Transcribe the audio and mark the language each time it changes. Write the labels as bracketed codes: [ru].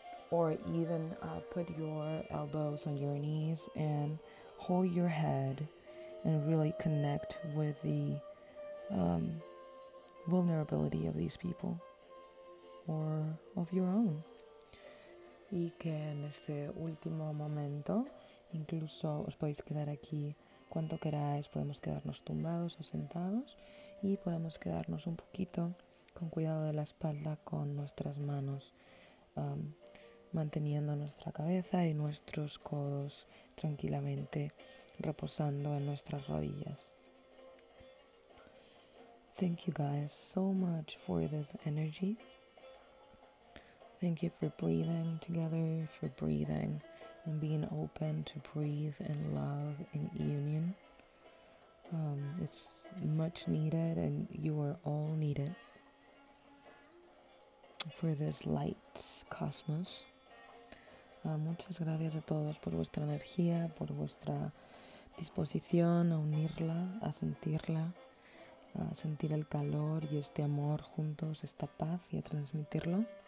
[en] Or even put your elbows on your knees and hold your head and really connect with the vulnerability of these people or of your own. [es] Y que en este último momento, incluso os podéis quedar aquí cuanto queráis, podemos quedarnos tumbados o sentados y podemos quedarnos un poquito con cuidado de la espalda con nuestras manos. Manteniendo nuestra cabeza y nuestros codos tranquilamente reposando en nuestras rodillas. [en] Thank you guys so much for this energy. Thank you for breathing together, for breathing and being open to breathe in love and union. It's much needed and you are all needed for this light cosmos. [es] Muchas gracias a todos por vuestra energía, por vuestra disposición a unirla, a sentirla, a sentir el calor y este amor juntos, esta paz y a transmitirlo.